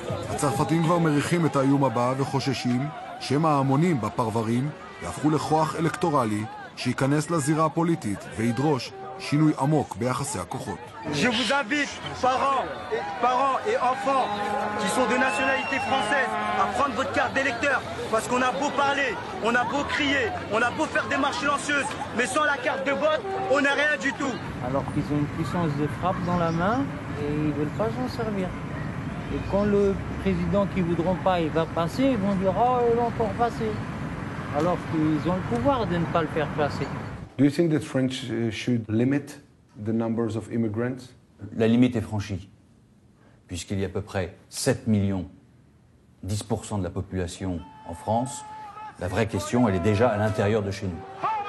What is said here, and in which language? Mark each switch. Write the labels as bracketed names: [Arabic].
[Hebrew] הצרפתים כבר מריחים את האיום הבא וחוששים שמא ההמונים בפרברים יהפכו לכוח אלקטורלי שייכנס לזירה הפוליטית וידרוש שינוי עמוק ביחסי הכוחות. [French] Je vous invite, parents et enfants qui sont de nationalité française, à prendre votre carte d'électeur, parce qu'on a beau parler, on a beau crier, on a beau faire des marches silencieuses, mais sans la carte de vote, on n'a rien du tout. Alors qu'ils ont une puissance de frappe dans la main et ils ne veulent pas s'en servir. Et quand le président qu'ils ne voudront pas il va passer, ils vont dire « Oh, ils vont encore passer !» Alors qu'ils ont le pouvoir de ne pas le faire passer. [English] Do you think that French should limit the numbers of immigrants? [French] La limite est franchie, puisqu'il y a à peu près 7 millions, 10% de la population en France. La vraie question, elle est déjà à l'intérieur de chez nous.